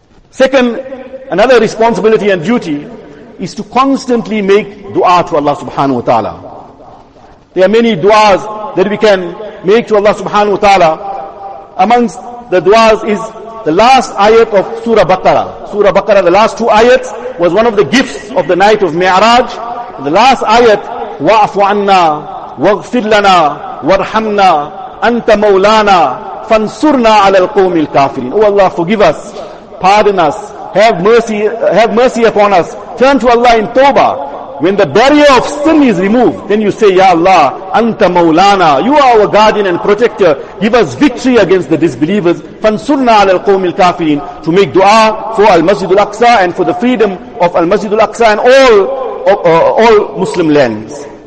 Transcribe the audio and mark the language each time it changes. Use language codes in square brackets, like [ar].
[en] Second, another responsibility and duty is to constantly make dua to Allah subhanahu wa ta'ala. There are many duas that we can make to Allah subhanahu wa ta'ala. Amongst the duas is the last ayat of Surah Baqarah. Surah Baqarah, the last two ayats, was one of the gifts of the night of Mi'raj. The last ayat, [ar] وَعَفُ عَنَّا وَغْفِرْ لَنَا وَرْحَمْنَا أَنْتَ مَوْلَانَا فَانْصُرْنَا عَلَى الْقَوْمِ الْكَافِرِينَ. [en] Oh Allah, forgive us, pardon us, have mercy upon us, turn to Allah in tawbah. When the barrier of sin is removed, then you say, Ya Allah, Anta Mawlana, you are our guardian and protector. Give us victory against the disbelievers. [ar] Fansurna ala al-qawm al-kafirin. [en] To make dua for Al-Masjid Al-Aqsa and for the freedom of Al-Masjid Al-Aqsa and all Muslim lands.